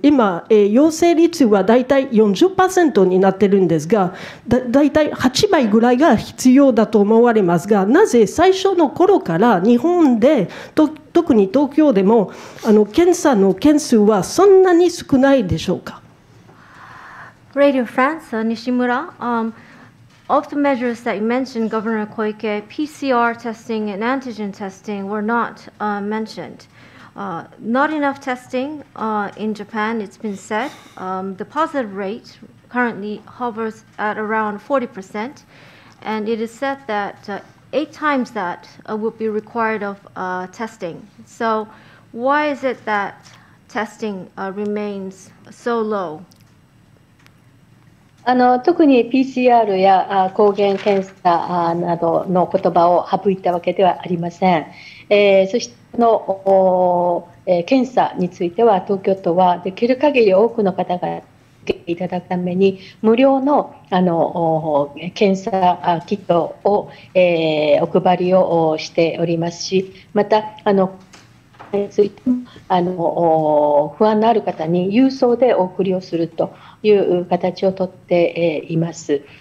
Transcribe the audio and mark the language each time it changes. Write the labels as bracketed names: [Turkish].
[Japanese] 今陽性率はだいたい 40% になっているんですが、 だいたい8倍ぐらいが必要だと思われますが、なぜ最初の頃から日本で特に東京でも検査の件数はそんなに少ないでしょうか？ [English] Radio France, Nishimura. Of the measures that you mentioned, Governor Koike, PCR testing and antigen testing were not mentioned. Not enough testing in Japan, it's been said. The positive rate currently hovers at around 40%, and it is said that 8 times that would be required of testing. So why is it that testing remains so low? [Japanese] 特に PCR や抗原検査などの言葉を省いたわけではありません。そしての検査については東京都はできる限り多くの方が受けていただくために無料の検査キットをお配りをしておりますし、またについても不安のある方に郵送でお送りをするという形を取っています。